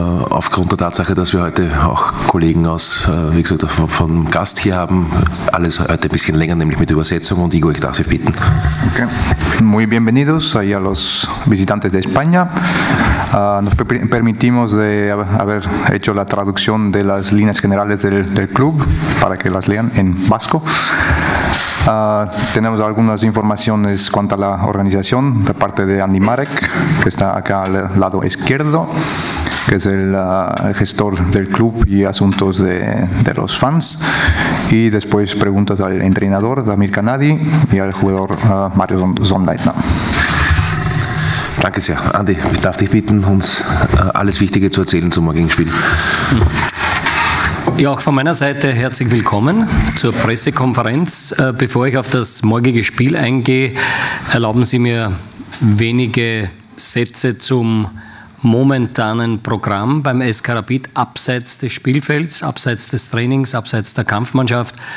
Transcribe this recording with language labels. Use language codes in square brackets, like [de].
[de] Aufgrund der Tatsache, dass wir heute auch Kollegen aus, wie gesagt, vom Gast hier haben, alles heute ein bisschen länger, nämlich mit Übersetzung. Und Igor, ich darf Sie bitten. Okay. [es] Muy bienvenidos a los visitantes de España. Nos permitimos de haber hecho la traducción de las líneas generales del club para que las lean en vasco. Tenemos algunas informaciones cuanto a la organización de parte de Andy Marek, que está acá al lado izquierdo, que es el gestor del club y asuntos de los fans. Y después preguntas al entrenador, Damir Kanadi, y al jugador Mario Sonnleitner. [de] Danke sehr. Andy, ich darf dich bitten, uns alles Wichtige zu erzählen zum morgigen Spiel. Ja, auch von meiner Seite herzlich willkommen zur Pressekonferenz. Bevor ich auf das morgige Spiel eingehe, erlauben Sie mir wenige Sätze zum momentanen Programm beim SK Rapid abseits des Spielfelds, abseits des Trainings, abseits der Kampfmannschaft.